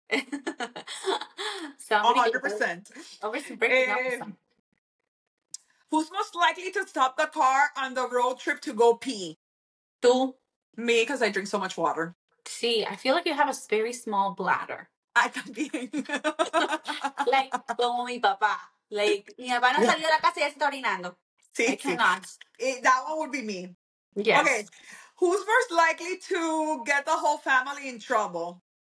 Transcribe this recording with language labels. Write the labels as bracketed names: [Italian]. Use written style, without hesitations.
[English] 100%. Always breaking up with someone. Who's most likely to stop the car on the road trip to go pee? [Spanish] Tú. [English] Me, because I drink so much water. Sí, I feel like you have a very small bladder. I [Spanish] también. [English] Like, [Spanish] como mi papá. [English] Like, [Spanish] mi papá no salió de la casa y ya se está orinando. Sí, [English] I cannot. That one would be me. Yes. Okay. Who's most likely to get the whole family in trouble?